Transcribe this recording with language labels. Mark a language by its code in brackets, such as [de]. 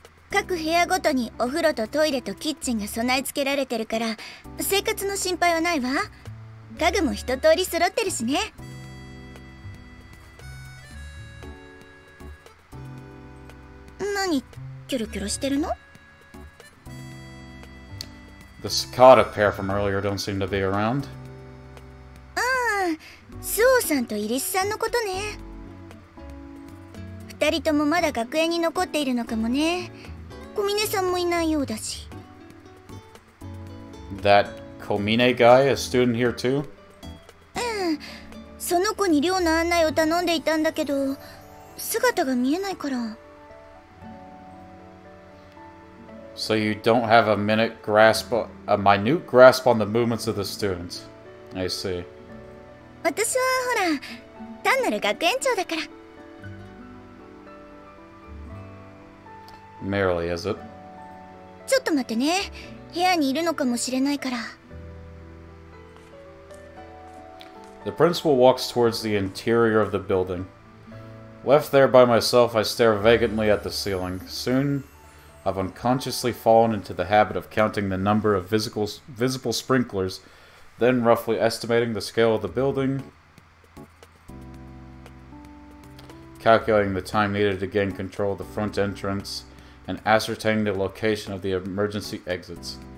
[ja] 各部屋ごとにお風呂とトイレとキッチンが備え付けられてるから、生活の心配はないわ。家具も一通り揃ってるしね。何キョロキョロしてるの？ [en] The cicada pair from earlier don't seem to be around. [ja] ああ、スオさんとイリスさんのことね。二人ともまだ学園に残っているのかもね。小峰さんもいないようだし。 [en] That Komine guy, a student here too? [ja] その子に寮の案内を頼んでいたんだけど、姿が見えないから。 [en] So you don't have a minute grasp, a minute grasp on the movements of the students. I see. [ja] 私はほら、単なる学園長だから。 [en] Merely, is it? [ja] ちょっと待ってね。部屋にいるのかもしれないから。 [en] The principal walks towards the interior of the building. Left there by myself, I stare vacantly at the ceiling. Soon, I've unconsciously fallen into the habit of counting the number of visible sprinklers, then roughly estimating the scale of the building, calculating the time needed to gain control of the front entrance, and ascertaining the location of the emergency exits.